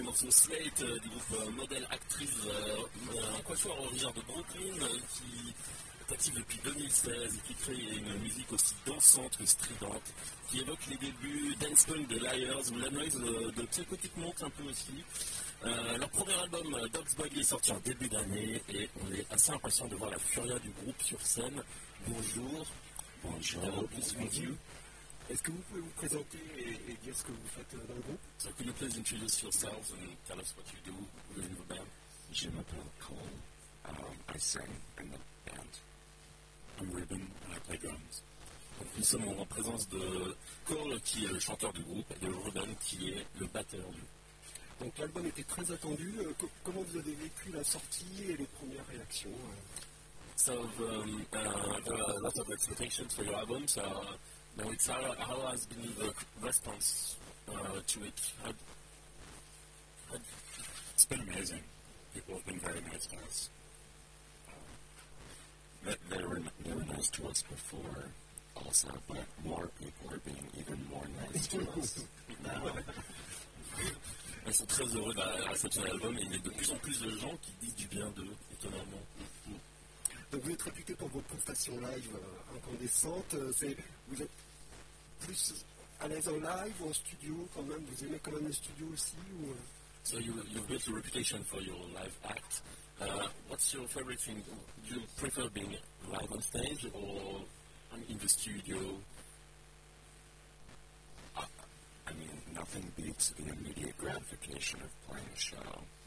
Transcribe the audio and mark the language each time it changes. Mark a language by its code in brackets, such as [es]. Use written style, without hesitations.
[fr] Slate du groupe Modèle Actrice, un coiffeur originaire de Brooklyn qui est actif depuis 2016 et qui crée une musique aussi dansante que stridente, qui évoque les débuts dance punk de Liars, la noise de Psychotique monte un peu aussi. Leur premier album, Dogs Boy, est sorti en début d'année et on est assez impatient de voir la furia du groupe sur scène. Bonjour, bonjour. Est-ce que vous pouvez vous présenter et dire ce que vous faites dans le groupe? [en] So can you please introduce yourselves and tell us what you do within the band? [fr] Je m'appelle Cole. [en] I sing in the band. I'm Ruben, and I play drums. [fr] Donc, nous sommes en présence de Cole, qui est le chanteur du groupe, et de Ruben, qui est le batteur du groupe. Donc, l'album était très attendu. Comment vous avez vécu la sortie et les premières réactions? [en] So, there are a lot of expectations for your album. So, now it's how has been the response to it? It's been amazing. People have been very nice to us. They were nice to us before, also, but more people are being even more nice to us now. [fr] Ils sont très heureux d'avoir sorti l'album et il y a de plus en plus de gens qui disent du bien d'eux, étonnamment. Donc vous êtes réputé pour vos prestations live incandescentes. Vous êtes plus à l'aise en live ou en studio quand même? Vous aimez quand même le studio aussi ou... [en] So you've built a reputation for your live act. What's your favorite thing? Do you prefer being live on stage or in the studio? I mean, nothing beats the immediate gratification of playing a show.